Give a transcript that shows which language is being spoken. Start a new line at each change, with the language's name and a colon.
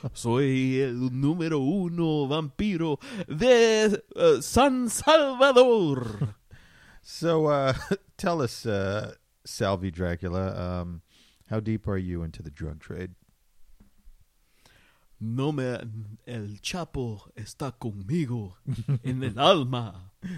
Spanish: Soy el número uno vampiro de San Salvador.
English: So, tell us, Salvi Dracula, how deep are you into the drug trade?
Spanish: No me, el Chapo está conmigo en el alma.